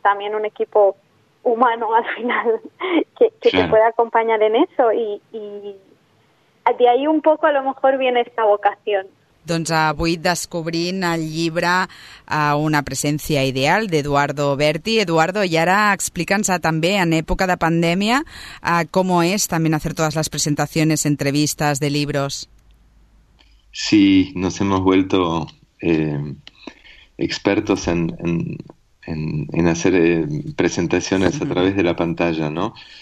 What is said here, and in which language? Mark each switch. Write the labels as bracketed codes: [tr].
[es] También un equipo humano al final que claro, te pueda acompañar en eso. Y de ahí un poco a lo mejor viene esta vocación. [ca] Doncs avui descobrint el llibre Una presència ideal d'Eduardo Berti. Eduardo, i ara explica'ns també en època de pandèmia com és també fer totes les presentacions, entrevistes de llibres. [es] Sí, nos hemos vuelto expertos en hacer presentaciones a través de la pantalla, ¿no?